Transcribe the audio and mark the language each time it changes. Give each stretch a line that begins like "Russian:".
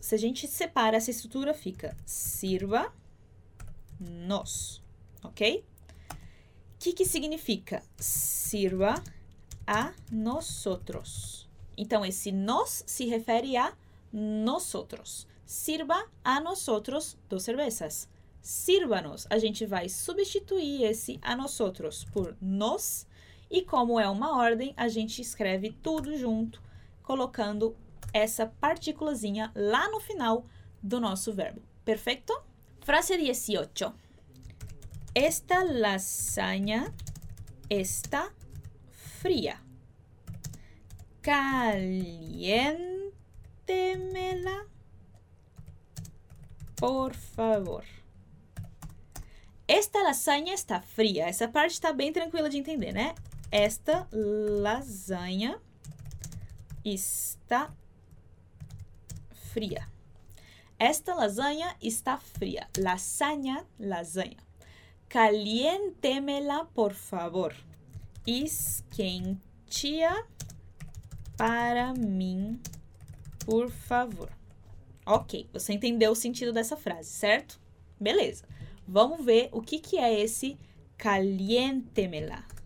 Portuguese: Se a gente separa essa estrutura, fica sirva-nos. Ok? Que significa sirva
Spanish: a nosotros?
Portuguese: Então esse nós se refere a nosotros.
Spanish: Sirva a nosotros dos cervezas.
Portuguese: Sirva-nos. A gente vai substituir esse
Spanish: a nosotros
Portuguese: por nós. E como é uma ordem, a gente escreve tudo junto, colocando essa partículazinha lá no final do nosso verbo. Perfeito? Frase 18. Esta lasanha está fria.
Spanish: Caliéntemela, por favor.
Portuguese: Esta lasanha está fria. Essa parte está bem tranquila de entender, né? Esta lasanha está fria. Esta lasanha está fria. Lasanha, lasanha.
Spanish: Caliéntemela, por favor.
Portuguese: Esquente-a para mim, por favor. Ok, você entendeu o sentido dessa frase, certo? Beleza. Vamos ver o que é esse caliéntemela.